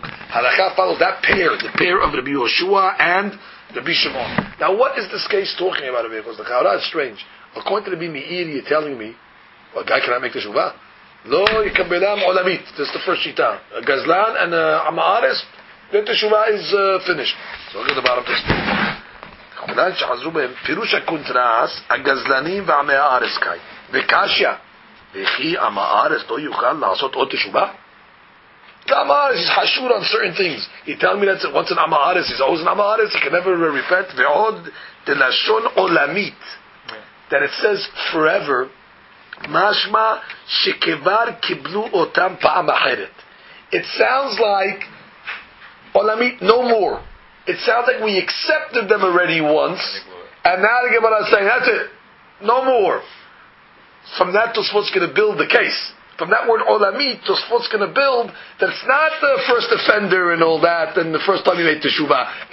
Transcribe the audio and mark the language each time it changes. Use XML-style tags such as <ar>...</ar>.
<en>Halakha follows that pair, the pair of Rabbi Yoshua and Rabbi Shimon. Now, what is this case talking about? Because the Chaurah is strange. According to Rabbi Meir, you're telling me, well, a guy cannot make the Shuvah. Lo yikabelam olamit. This is the first Shita. A Gazlan and a Amaris, then the Shuvah is finished. So, look at the bottom text.</en> <he>בגלל שחזרו בהם פירוש הקונטרס הגזלנים ועמי הארץ קי וקשיה וכי עם הארץ לא יוכל לעשות עוד תשובה?</he> <en>עם הארץ is חשור on certain things. He tell me that once an עם הארץ is always an עם הארץ, he can never repent.</en> <he>ועוד דלשון עולמית,</he> <en>that it says forever,</en> <he>משמע שכבר קיבלו אותם פעם אחרת.</he> <en>It sounds like עולמית no more. It sounds like we accepted them already once, and now the Gemara is saying, that's it, no more. From that, Tosfot's going to build the case. From that word, Olamit, Tosfot's going to build that it's not the first offender and all that, and the first time he made Teshuvah.</en>